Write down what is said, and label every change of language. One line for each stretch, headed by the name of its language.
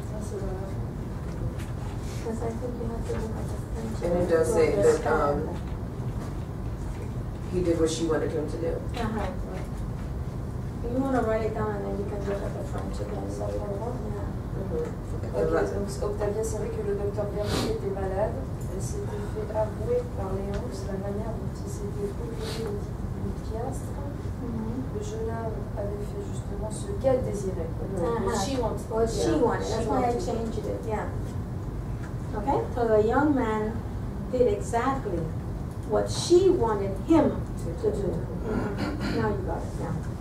English: Because I think you have to look at the French. And it does say that... He did what she wanted him to do. Uh-huh. You want to write it down and then you can do it at the French again. Is that what I want? Yeah. Mm-hmm.
French: Okay, donc Octavia savait que le docteur Bernier était malade. Elle s'était fait avouer par Léonce la manière dont il s'était occupé du piastre. Le jeune homme avait fait justement ce qu'elle désirait.
English: What she wanted. What she wanted. That's why I changed it. Yeah. Okay? So the young man did exactly what she wanted him to do. Mm-hmm. Now you got it, yeah.